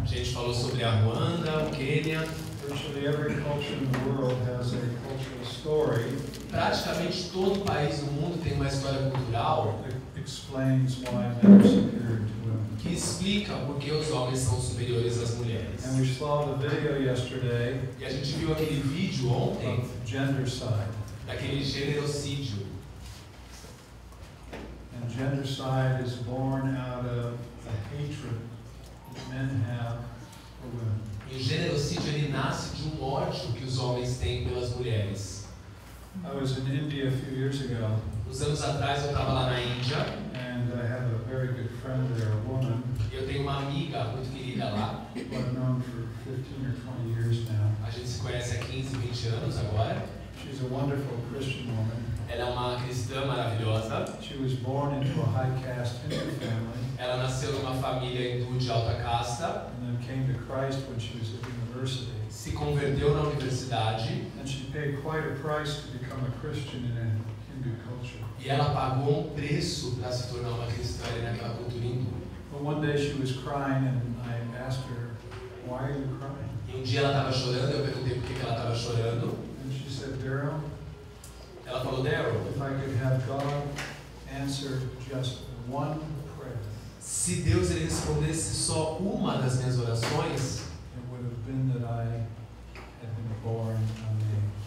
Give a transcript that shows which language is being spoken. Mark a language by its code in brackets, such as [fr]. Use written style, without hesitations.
[pt] A gente falou sobre a Ruanda, o Quênia. [en] Virtually every culture in the world has a cultural story. [pt] Praticamente todo país do mundo tem uma história cultural. [en] Explains why men are superior to women. [pt] Que explica por que os homens são superiores às mulheres. [en] And we saw the video yesterday. [pt] E a gente viu aquele vídeo ontem. [en] Of gendercide. [pt] Daquele genocídio. [en] Gendercide is born out of the hatred that men have for women. [pt] E o genocídio ele nasce de um ódio que os homens têm pelas mulheres. [en] I was in India a few years ago. [pt] Uns anos atrás eu estava lá na Índia. [en] And I have a very good friend there, a woman. [pt] E eu tenho uma amiga muito querida lá. [en] I've known for 15 or 20 years now. [pt] A gente se conhece há 15, 20 anos agora. [en] She's a wonderful Christian woman. [pt] Ela é uma cristã maravilhosa. [en] She was born into a high caste Hindu family. [pt] Ela nasceu numa família hindu de alta casta. [en] And then came to Christ when she was at university. [pt] Se converteu na universidade. [en] And she paid quite a price to become a Christian in a Hindu culture. [pt] E ela pagou um preço para se tornar uma cristã naquela cultura hindu. [en] But one day she was crying and I asked her, "Why are you crying?" [pt] E um dia ela estava chorando, eu perguntei por que ela estava chorando. [en] And she said, "Daryl." [pt] Ela falou, Daryl, [en] if I could have God answer just one prayer, [pt] se Deus ele respondesse só uma das minhas orações, [en] it would have been that I had been born a man.